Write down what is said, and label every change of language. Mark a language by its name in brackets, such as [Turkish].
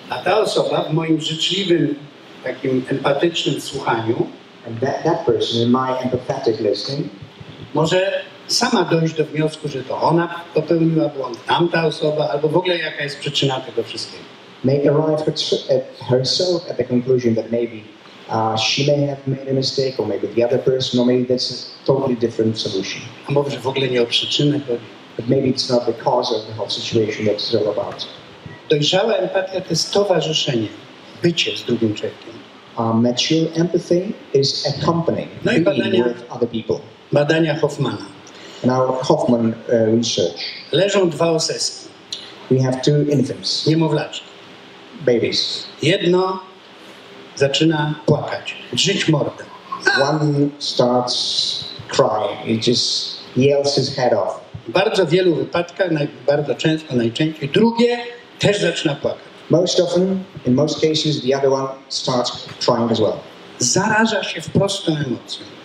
[Polish] A ta osoba w moim życzliwym, takim empatycznym słuchaniu. [English] And that person in my empathetic listening. [Polish] Może sama dojść do wniosku, że to ona popełniła błąd, tamta osoba, albo w ogóle jaka jest przyczyna tego wszystkiego. [English] May arrive at herself at the conclusion that maybe she may have made a mistake, or maybe the other person, or maybe that's a totally different solution. [Polish] A może w ogóle nie o przyczynę chodzi. [English] But maybe it's not the cause of the whole situation that it's all about. [Polish] Dojrzała empatia to jest towarzyszenie, bycie z drugim człowiekiem. [English] Mature empathy is accompanying, no being [Polish] badania, [English] with other people. [Polish] Badania Hoffmana. [English] Now Hoffman research. [Polish] Leżą dwa oseski. [English] We have two infants. [Polish] Niemowlaczki. [English] Babies. [Polish] Jedno zaczyna płakać. Drzyć mordę. [English] One starts crying. It just yells his head off. [Polish] Bardzo wielu wypadkach, bardzo często, najczęściej. Drugie też zaczyna płakać. [English] Most often, in most cases, the other one starts crying as well. [Polish] Zaraża się wprost tą emocją.